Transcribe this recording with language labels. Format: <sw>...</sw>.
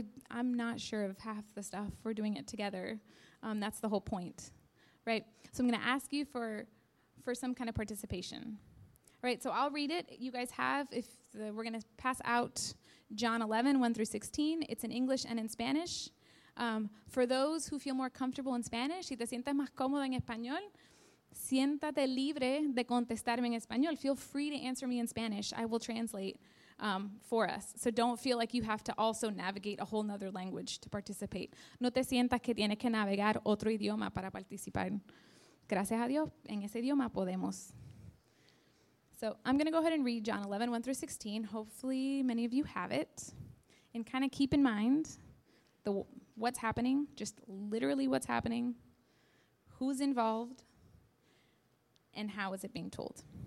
<en>I'm not sure of half the stuff. We're doing it together. That's the whole point, right? So I'm going to ask you for some kind of participation. All right, so I'll read it. You guys have, we're going to pass out John 11, 1 through 16. It's in English and in Spanish. For those who feel more comfortable in Spanish,</en> <es>si te sientes más cómodo en español, siéntate libre de contestarme en español.</es> <en>Feel free to answer me in Spanish. I will translate for us. So don't feel like you have to also navigate a whole other language to participate.</en> <es>No te sientas que tienes que navegar otro idioma para participar. Gracias a Dios, en ese idioma podemos.</es> <en>So I'm going to go ahead and read John 11, 1 through 16. Hopefully many of you have it. And kind of keep in mind what's happening, just literally what's happening, who's involved, and how is it being told.</en>